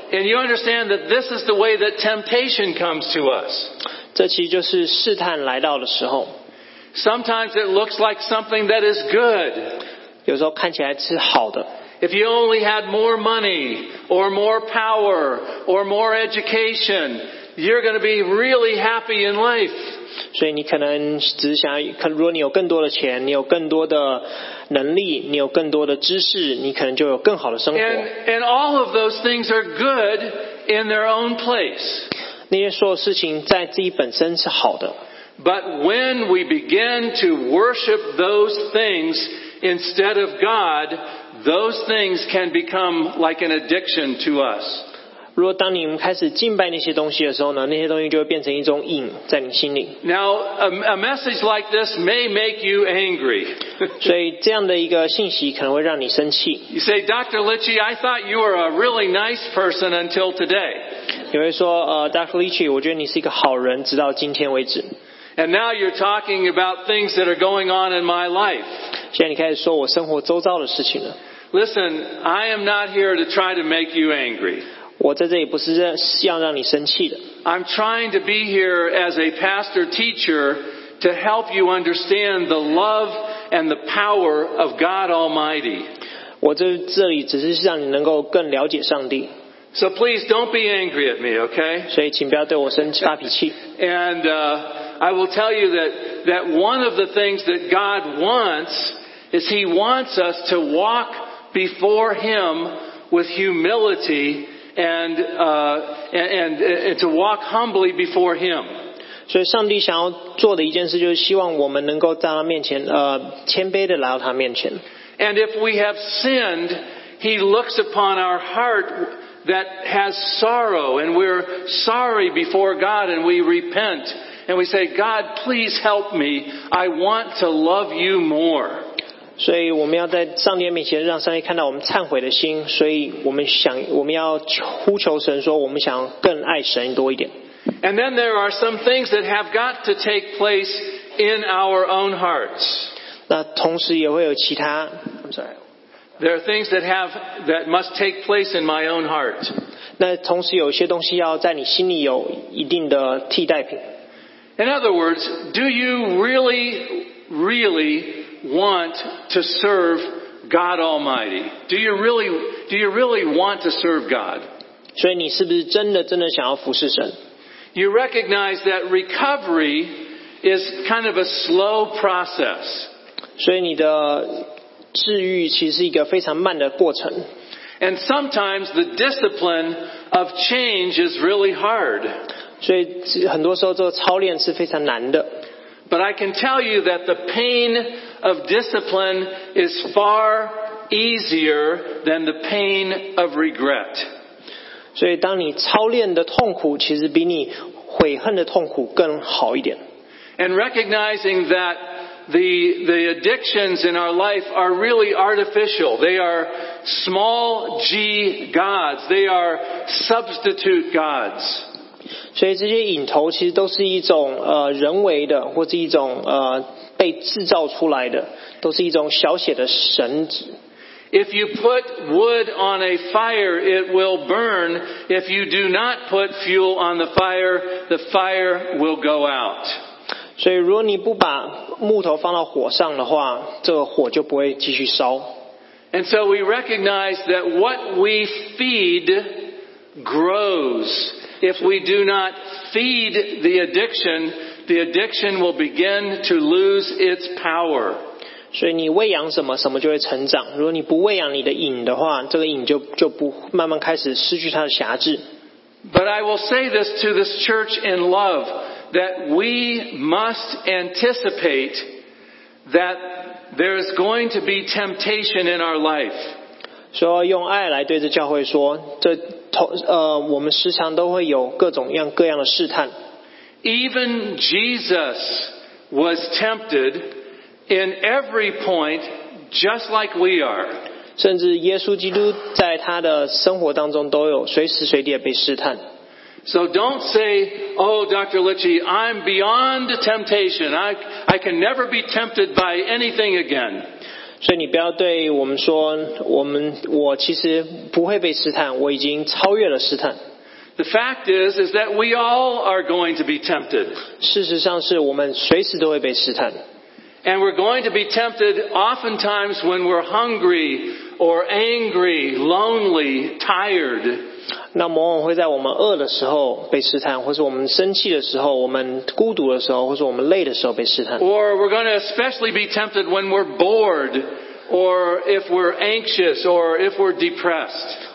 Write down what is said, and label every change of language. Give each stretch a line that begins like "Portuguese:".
English: And you understand that this is the way that temptation comes to us.
Chinese: 这其实就是试探来到的时候。
English: Sometimes it looks like something that is good.
Chinese: 有时候看起来是好的。
English: If you only had more money, or more power, or more education, you're going to be really happy in life.
Chinese: 所以你可能只想要，如果你有更多的钱，你有更多的能力，你有更多的知识，你可能就有更好的生活。
English: And all of those things are good in their own place.
Chinese: 那些所有事情在自己本身是好的。
English: But when we begin to worship those things instead of God, those things can become like an addiction to us.
Chinese: 如果当你们开始敬拜那些东西的时候呢，那些东西就会变成一种瘾在你心里。
English: Now, a message like this may make you angry.
Chinese: 所以这样的一个信息可能会让你生气。
English: You say, Dr. Litchi, I thought you were a really nice person until today.
Chinese: 你会说，Dr. Litchi, 我觉得你是一个好人，直到今天为止。
English: And now you're talking about things that are going on in my life.
Chinese: 现在你开始说我生活周遭的事情了。
English: Listen, I am not here to try to make you angry.
Chinese: 我在这里不是要让你生气的。
English: I'm trying to be here as a pastor teacher to help you understand the love and the power of God Almighty.
Chinese: 我在这里只是让你能够更了解上帝。
English: So please don't be angry at me, okay?
Chinese: 所以请不要对我生发脾气。
English: And I will tell you that one of the things that God wants is He wants us to walk before Him with humility. And to walk humbly before Him.
Chinese: 所以上帝想要做的一件事就是希望我们能够在他面前，谦卑的来到他面前。
English: And if we have sinned, He looks upon our heart that has sorrow, and we're sorry before God, and we repent, and we say, God, please help me. I want to love You more.
Chinese: 所以我们要在上帝面前让上帝看到我们忏悔的心，所以我们要呼求神说我们想更爱神多一点。
English: And then there are some things that have got to take place in our own hearts.
Chinese: 那同时也会有其他
English: I'm sorry. There are things that must take place in my own heart.
Chinese: 那同时有些东西要在你心里有一定的替代品。
English: In other words, do you really, really,want to serve God Almighty? Do you really want to serve God?
Chinese: 所以你是不是真的真的想要服侍神？
English: You recognize that recovery is kind of a slow process.
Chinese: 所以你的治愈其实是一个非常慢的过程。
English: And sometimes the discipline of change is really hard.
Chinese: 所以很多时候做操练是非常难的。
English: But I can tell you that the pain of discipline is far easier than the pain of regret.
Chinese: 所以当你操练的痛苦其实比你悔恨的痛苦更好一点。
English: And recognizing that the addictions in our life are really artificial. They are small g gods. They are substitute gods.
Chinese: 所以这些瘾头其实都是一种人为的，或是一种被制造出来的，都是一种小写的神旨。
English: If you put wood on a fire, it will burn. If you do not put fuel on the fire will go out.
Chinese: 所以如果你不把木头放到火上的话，这个火就不会继续烧。
English: And so we recognize that what we feed grows. If we do not feed the addiction will begin to lose its power.
Chinese: 所以你喂养什么，什么就会成长。如果你不喂养你的瘾的话，这个瘾就不慢慢开始失去它的辖制。
English: But I will say this to this church in love, that we must anticipate that there is going to be temptation in our life.
Chinese: 所以用爱来对着教会说，这我们时常都会有各种样各样的试探。
English: Even Jesus was tempted. In every point, just like we are.
Chinese: 甚至耶稣基督在他的生活当中都有随时随地被试探。
English: So don't say, oh, Dr. Litchi, I'm beyond temptation. I can never be tempted by anything again.
Chinese: 所以你不要对我们说，我其实不会被试探，我已经超越了试探。
English: The fact is that we all are going to be tempted.
Chinese: 事实上是我们随时都会被试探。
English: And we're going to be tempted oftentimes when we're hungry or angry, lonely, tired.
Chinese: 那魔王会在我们饿的时候被试探，或是我们生气的时候，我们孤独的时候，或是我们累的时候被试探。
English: Or we're going to especially be tempted when we're bored, or if we're anxious, or if we're depressed.